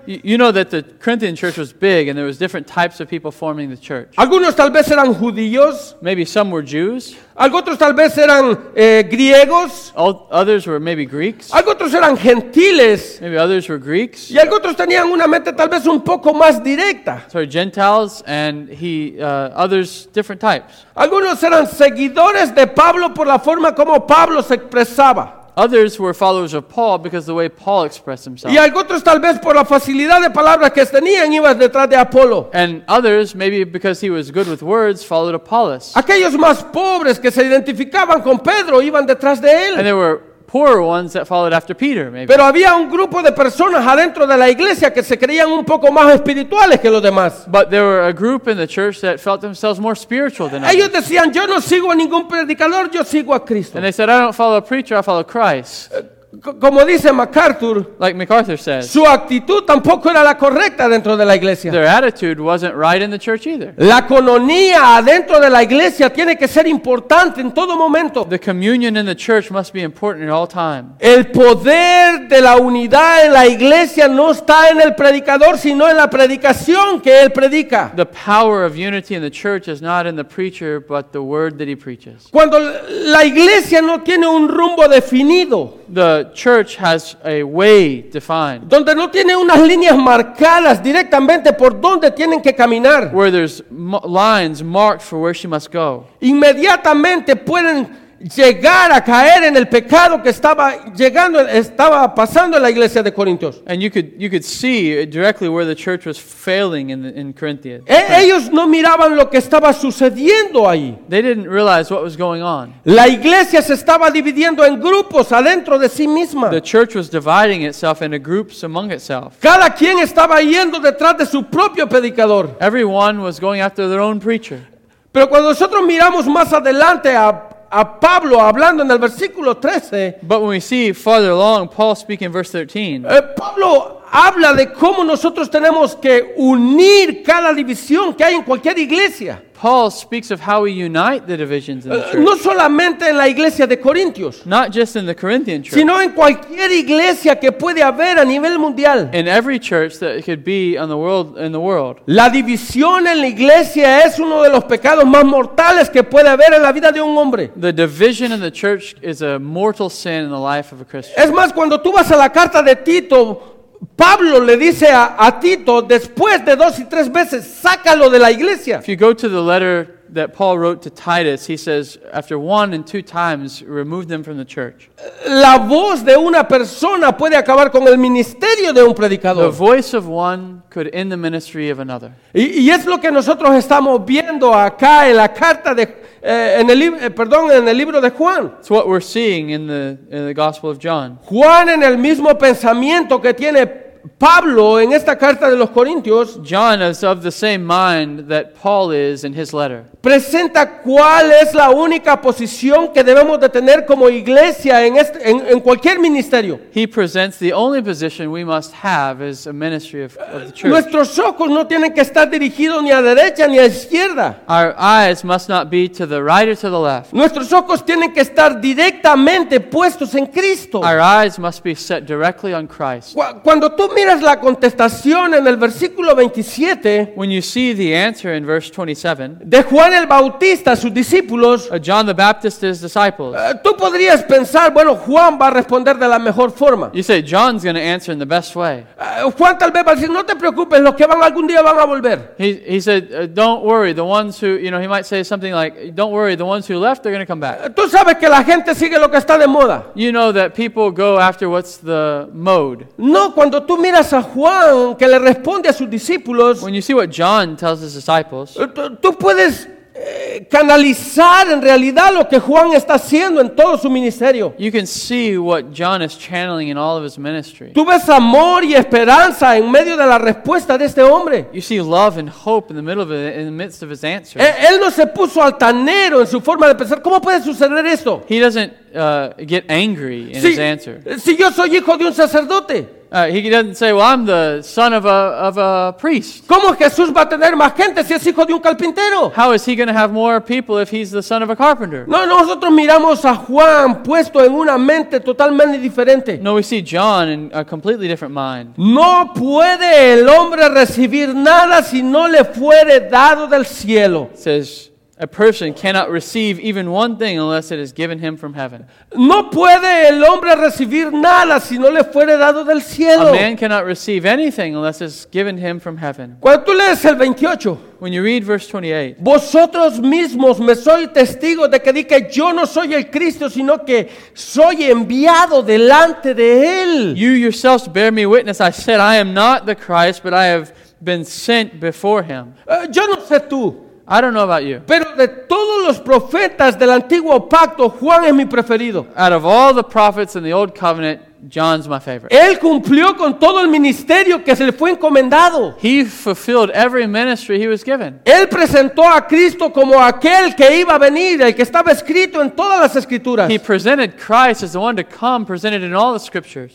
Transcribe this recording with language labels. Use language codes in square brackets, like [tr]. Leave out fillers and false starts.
[en] You know that the Corinthian church was big and there was different types of people forming the church. [es] Algunos tal vez eran judíos. [en] Maybe some were Jews. [es] Otros tal vez eran griegos. [en] Others were maybe Greeks. [es] Otros eran gentiles. [en] Maybe others were Greeks. [es] Y otros tenían una mente tal vez un poco más directa. [en] So Gentiles and others different types. [es] Algunos eran seguidores de Pablo por la forma como Pablo se expresaba. [en] Others were followers of Paul because of the way Paul expressed himself. [es] Y otros tal vez por la facilidad de palabras que tenían iban detrás de Apolo. [en] And others, maybe because he was good with words, followed Apollos. [es] Aquellos más pobres que se identificaban con Pedro iban detrás de él. [en] And there were poorer ones that followed after Peter, maybe. [es] Pero había un grupo de personas adentro de la iglesia que se creían un poco más espirituales que los demás. [en] But there were a group in the church that felt themselves more spiritual than others. [es] Ellos decían, yo no sigo a ningún predicador, yo sigo a Cristo. [en] And they said, I don't follow a preacher, I follow Christ. [es] como dice MacArthur, [en] like MacArthur says, [es] su actitud tampoco era la correcta dentro de la iglesia. [en] Their attitude wasn't right in the church either. [es] La cononía dentro de la iglesia tiene que ser importante en todo momento. [en] The communion in the church must be important at all time. [es] El poder de la unidad en la iglesia no está en el predicador, sino en la predicación que él predica. [en] The power of unity in the church is not in the preacher, but the word that he preaches. [es] Cuando la iglesia no tiene un rumbo definido, [en] the church has a way defined. [es] Donde no tiene unas líneas marcadas directamente por donde tienen que caminar. [en] Where there's lines marked for where she must go. [es] Inmediatamente pueden llegar a caer en el pecado que estaba pasando en la iglesia de Corintios. [en] And you could see directly where the church was failing in Corinthians. [es] Ellos no miraban lo que estaba sucediendo ahí. [en] They didn't realize what was going on. [es] La iglesia se estaba dividiendo en grupos adentro de sí misma. [en] The church was dividing itself into groups among itself. [es] Cada quien estaba yendo detrás de su propio predicador. [en] Everyone was going after their own preacher. [es] Pero cuando nosotros miramos más adelante a Pablo hablando en el versículo 13. [en] But when we see farther along, Paul speaking in verse 13. [es] Pablo habla de cómo nosotros tenemos que unir cada división que hay en cualquier iglesia. [en] Paul speaks of how we unite the divisions in the church. [es] No solamente en la iglesia de Corintios. [en] Not just in the Corinthian church. [es] Sino en cualquier iglesia que puede haber a nivel mundial. [en] In every church that could be on the world, in the world. [es] La división en la iglesia es uno de los pecados más mortales que puede haber en la vida de un hombre. [en] The division in the church is a mortal sin in the life of a Christian. [es] Es más, cuando tú vas a la carta de Tito, Pablo le dice a Tito después de dos y tres veces, sácalo de la iglesia. [en] If you go to the letter that Paul wrote to Titus, he says after one and two times, remove them from the church. [es] La voz de una persona puede acabar con el ministerio de un predicador. [en] The voice of one could end the ministry of another. [es] Y es lo que nosotros estamos viendo acá en la carta de en el libro de Juan. [en] It's what we're seeing in the Gospel of John. [es] Juan, en el mismo pensamiento que tiene Pablo en esta carta de los Corintios, [en] John is of the same mind that Paul is in his letter. [es] Presenta cuál es la única posición que debemos de tener como iglesia en cualquier ministerio. [en] He presents the only position we must have as a ministry of the church. [es] Nuestros ojos no tienen que estar dirigidos ni a derecha ni a izquierda. [en] Our eyes must not be to the right or to the left. [es] Nuestros ojos tienen que estar directamente puestos en Cristo. [en] Our eyes must be set directly on Christ. [es] Cuando tú miras la contestación en el versículo 27, [en] when you see the answer in verse 27, [es] de Juan el Bautista, sus discípulos, [en] John the Baptist, his disciples, [es] tú podrías pensar, bueno, Juan va a responder de la mejor forma. [en] You say, John's going to answer in the best way. [es] Juan tal vez va a decir, no te preocupes, los que van algún día van a volver. [en] He said, don't worry, the ones who, you know, he might say something like, don't worry, the ones who left, they're going to come back. [es] Tú sabes que la gente sigue lo que está de moda. [en] You know that people go after what's the mode. [es] No, cuando tú miras a Juan que le responde a sus discípulos, [en] when you see what John tells his disciples, [es] tú puedes canalizar en realidad lo que Juan está haciendo en todo su ministerio. [en] You can see what John is channeling in all of his ministry. [es] Tú ves amor y esperanza en medio de la respuesta de este hombre. [en] You see love and hope in the middle of it, in the midst of his answer. [es] Él no se puso altanero en su forma de pensar. ¿Cómo puede suceder esto? [en] He doesn't get angry in his answer. [es] Si yo soy hijo de un sacerdote. [en] He doesn't say, "Well, I'm the son of a priest." [es] ¿Cómo Jesús va a tener más gente si es hijo de un carpintero? [en] How is he going to have more people if he's the son of a carpenter? [es] No, nosotros miramos a Juan puesto en una mente totalmente diferente. [en] No, we see John in a completely different mind. [es] No puede el hombre recibir nada si no le fuere dado del cielo. [en] It says, a person cannot receive even one thing unless it is given him from heaven. [es] No puede el hombre recibir nada si no le fuere dado del cielo. [en] A man cannot receive anything unless it's given him from heaven. [es] Cuando tú lees el 28, [en] when you read verse 28, [es] vosotros mismos me soy testigo de que di que yo no soy el Cristo, sino que soy enviado delante de él. [en] You yourselves bear me witness. I said I am not the Christ, but I have been sent before him. [es] Yo no sé tú. [en] I don't know about you. [es] Pero de todos los profetas del antiguo pacto, Juan es mi preferido. [en] Out of all the prophets in the old covenant, John's my favorite. [es] Él cumplió con todo el ministerio que se le fue encomendado. [en] He fulfilled every ministry he was given. [es] Él presentó a Cristo como aquel que iba a venir, el que estaba escrito en todas las escrituras. [en] He presented Christ as the one to come, presented in all the scriptures.